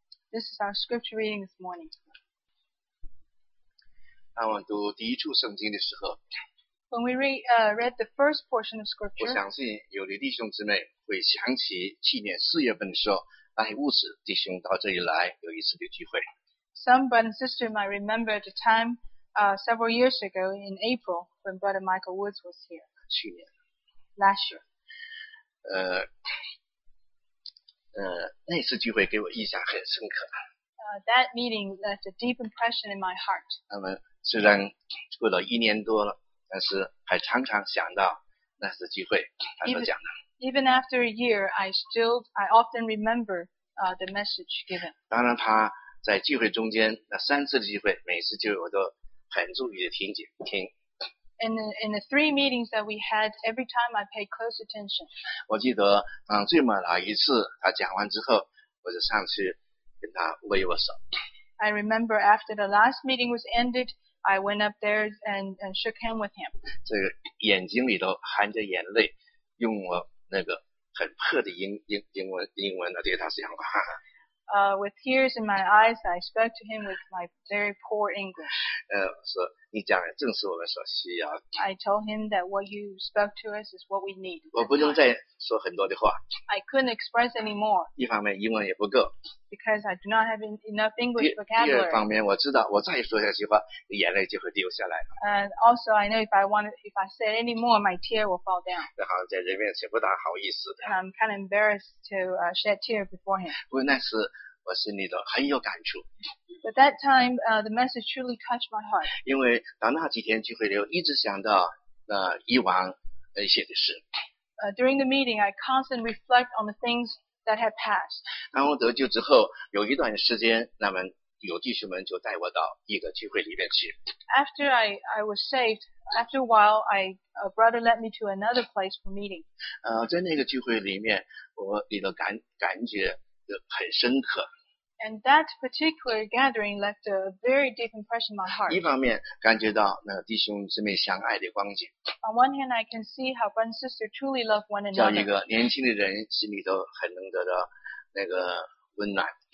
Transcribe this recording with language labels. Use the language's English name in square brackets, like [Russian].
[English] This is our scripture reading this morning. [Chinese] 当我们读第一处圣经的时候 [English] ，When we read read the first portion of scripture， [Chinese] 我相信有的弟兄姊妹会想起去年四月份的时候，哎，物质弟兄到这里来有一次的聚会。 [English] Some brother and sister might remember the time several years ago in April when Brother Michael Woods was here. [Chinese] 去年。 [English] Last year. [Chinese] 那次聚会给我印象很深刻。 [English] That meeting left a deep impression in my heart. [Chinese] 那么虽然过了一年多了，但是还常常想到那次聚会他所讲的。 [English] Even after a year, I often remember the message given. [Chinese] 当然他在聚会中间那三次的聚会，每次聚会我都很注意的听。 [English] In the three meetings that we had, every time I paid close attention. [Chinese] 我记得最末了一次他讲完之后，我就上去跟他握一握手。 [English] I remember after the last meeting was ended, I went up there and shook hands with him. [Chinese] 这个眼睛里头含着眼泪，用我那个很破的英文的对他讲话。 [English] With tears in my eyes, I spoke to him with my very poor English. [Chinese] 你讲的正是我们所需要的。 [English] I told him that what you spoke to us is what we need. [Chinese] 我不能再说很多的话。 [English] I couldn't express anymore. [Chinese] 一方面英文也不够。 [English] Because I do not have enough English vocabulary. [Chinese] 第二方面我知道我再说下去的话，眼泪就会流下来。 [English] And also I know if I say any more, my tear will fall down. [Chinese] 好像在人面前不大好意思的。 [English] And I'm kind of embarrassed to shed tear before him. [Chinese] 不过那是我心里头很有感触。 [English] But that time, the message truly touched my heart. [Chinese] 因为到那几天聚会里，一直想到那以往写的事。 [English] During the meeting, I constantly reflect on the things that had passed. [Chinese] 当我得救之后，有一段时间，那么有弟兄们就带我到一个聚会里面去。 [English] After I was saved, after a while, a brother led me to another place for meeting. [Chinese] 在那个聚会里面，我里头感觉就很深刻。 [English] And that particular gathering left a very deep impression in my heart. [Chinese] 一方面感觉到那弟兄姊妹相爱的光景。 [English] On one hand, I can see how brother and sister truly love one another. 叫 [Chinese] 一个年轻的人心里头很能得到那个温暖。